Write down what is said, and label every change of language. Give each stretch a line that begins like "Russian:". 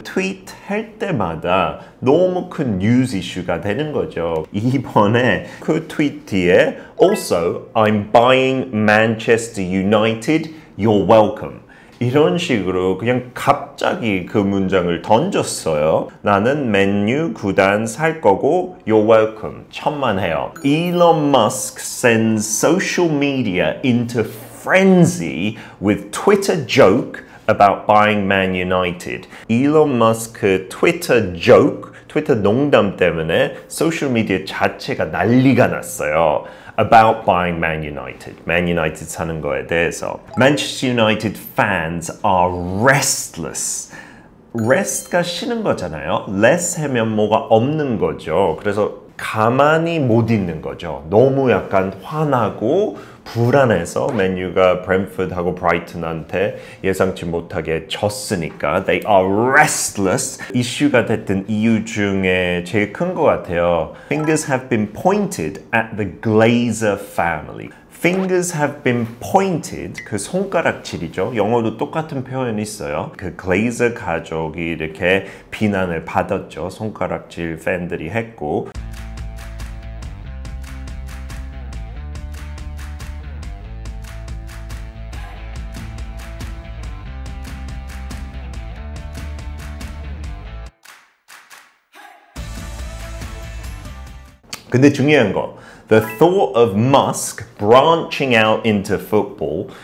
Korean: 트윗 할 때마다 너무 큰 뉴스 이슈가 되는 거죠. 이번에 그 트윗 뒤에
English: Also, I'm buying Manchester United. You're welcome.
Korean: 이런 식으로 그냥 갑자기 그 문장을 던졌어요. 나는 맨유 구단 살 거고
English: You're welcome.
Korean: 천만해요.
English: Elon Musk sends social media into frenzy with Twitter joke about buying Man United. Elon Musk Twitter joke, Twitter
Korean: 농담 때문에
English: social media
Korean: 자체가 난리가 났어요.
English: About buying Man United. Man United
Korean: 사는 거에 대해서.
English: Manchester United fans are restless.
Korean: Rest가 쉬는 거잖아요. Less 하면 뭐가 없는 거죠. 그래서 가만히 못 있는 거죠. 너무 약간 화나고 불안해서 맨유가 브렌트포드하고 브라이튼한테 예상치 못하게 졌으니까
English: They are restless.
Korean: 이슈가 됐던 이유 중에 제일 큰 것 같아요.
English: Fingers have been pointed at the Glazer family. Fingers have been pointed.
Korean: 그 손가락질이죠. 영어도 똑같은 표현이 있어요. 그 Glazer 가족이 이렇게 비난을 받았죠. 손가락질 팬들이 했고 근데 중요한 거
English: The thought of Musk branching out into football